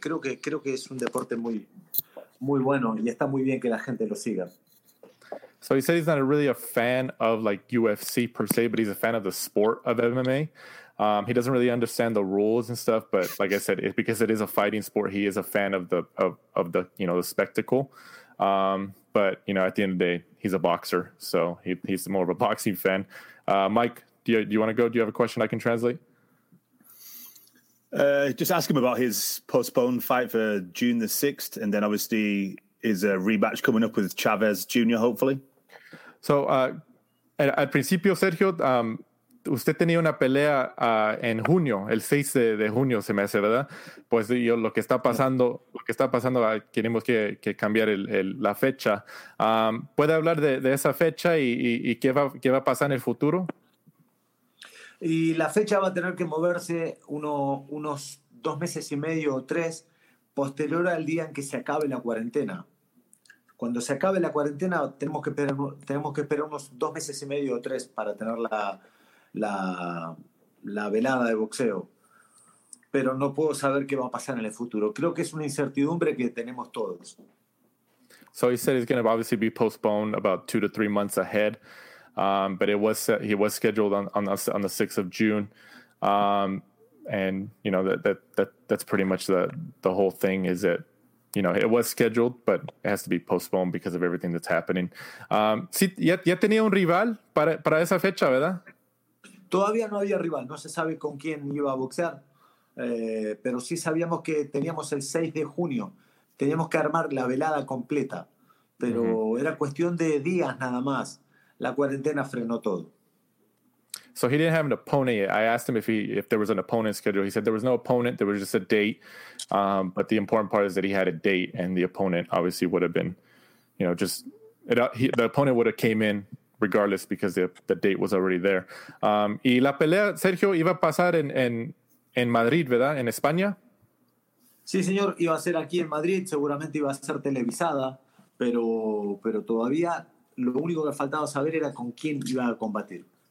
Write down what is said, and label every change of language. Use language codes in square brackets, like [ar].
[es] Creo que es un deporte muy... muy bueno, y está muy bien que la gente lo siga. [en] So he said he's not really a fan of like UFC per se, but he's a fan of the sport of MMA. He doesn't really understand the rules and stuff, but like I said, because it is a fighting sport, he is a fan of the you know, the spectacle. But you know, at the end of the day, he's a boxer, so he's more of a boxing fan. Mike, do you want to go? Do you have a question I can translate? Just ask him about his postponed fight for June the 6th, and then obviously is a rematch coming up with Chavez Jr., hopefully. So, at [es] principio, Sergio, usted tenía una pelea en junio, el 6 de junio se me hace, ¿verdad? Pues yo lo que está pasando, queremos que cambiar la fecha. ¿Puede hablar de esa fecha y qué va a pasar en el futuro? Y la fecha va a tener que moverse unos 2 meses y medio o 3 posterior al día en que se acabe la cuarentena. Cuando se acabe la cuarentena, tenemos que esperar unos 2 meses y medio o 3 para tener la velada de boxeo. Pero no puedo saber qué va a pasar en el futuro. Creo que es una incertidumbre que tenemos todos. [en] So he said it's going to obviously be postponed about 2 to 3 months ahead. But it was he was scheduled on the 6th of June. And you know that's pretty much the whole thing is that, you know, it was scheduled, but it has to be postponed because of everything that's happening. [es] Sí, ya tenía un rival para esa fecha, ¿verdad? Todavía no había rival. No se sabe con quién iba a boxear. Pero sí sabíamos que teníamos el 6 de junio. Teníamos que armar la velada completa. Pero mm-hmm. era cuestión de días nada más. La cuarentena frenó todo. [en] So he didn't have an opponent yet. I asked him if there was an opponent schedule. He said there was no opponent. There was just a date. But the important part is that he had a date, and the opponent obviously would have been, you know, the opponent would have came in regardless because the date was already there. [es] Y la pelea, Sergio, iba a pasar en Madrid, ¿verdad? En España. Sí, señor. Iba a ser aquí en Madrid. Seguramente iba a ser televisada, pero todavía lo único que faltaba saber era con quién iba a combatir.